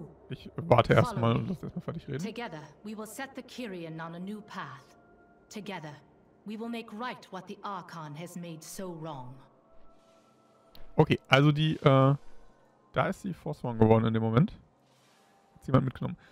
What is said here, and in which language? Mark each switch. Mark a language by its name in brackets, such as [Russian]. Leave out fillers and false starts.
[German] Ich warte erstmal und lass erstmal fertig reden. [English] Together, we will set the Kyrian on a new path. Together, we will make right what the Archon has made so wrong. [German] Okay, also die, da ist die Forsworn geworden in dem Moment. Hat jemand mitgenommen?